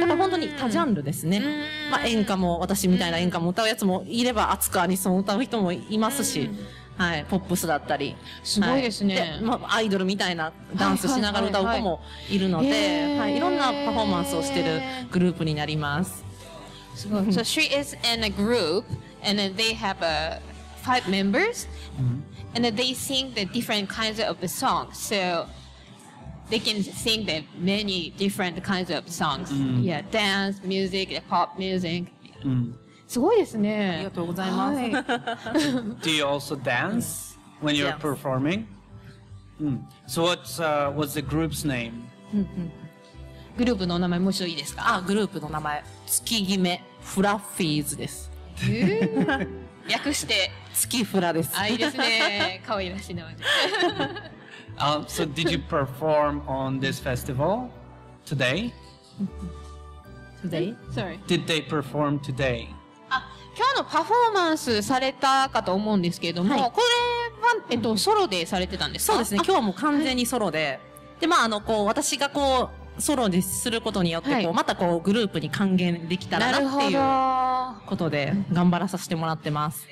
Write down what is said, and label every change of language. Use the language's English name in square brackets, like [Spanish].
[Japanese] だから本当に多ジャンルですね。まあ、演歌も、私みたいな演歌も歌うやつもいれば、熱くアニソンを歌う人もいますし、はい、ポップスだったり。すごいですね。はい、まあ、アイドルみたいなダンスしながら歌う子もいるので、はい、いろんなパフォーマンスをしてるグループになります。 [English] So she is in a group, and then they have five members, and then they sing the different kinds of the songs. So they can sing the many different kinds of songs. Yeah, dance music, pop music. [Japanese] すごいですね。ありがとうございます。はい、 [English] Do you also dance when you're performing? So what's the group's name? [Japanese] グループの名前もしいいですか？あ、グループの名前。月決めフラッフィーズです。略して月フラです。あ、いいですね。可愛らしい名前です。 [English] So did you perform on this festival today? Today? Sorry. Did they perform today? [Japanese] あ、今日のパフォーマンスされたかと思うんですけれども、はい、これは、ソロでされてたんですか？そうですね。今日も完全にソロで。はい、で、まあ、こう、私がこう、ソロにすることによって、こう、はい、またこう、グループに還元できたらなっていうことで、頑張らさせてもらってます。